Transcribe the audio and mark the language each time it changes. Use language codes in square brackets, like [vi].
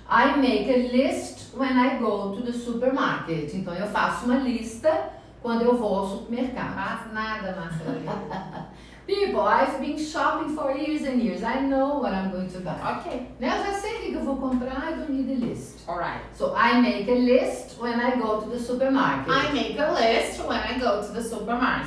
[en] I make a list when I go to the supermarket. [pt] Então, eu faço uma lista quando eu vou ao supermercado. Faz nada, Marcelo. [en] People, I've been shopping for years and years. I know what I'm going to buy. Ok. [pt] Né? Eu já sei o que eu vou comprar, [en] I don't need a list. Alright. So, I make a list when I go to the supermarket. I make a list when I go to the supermarket.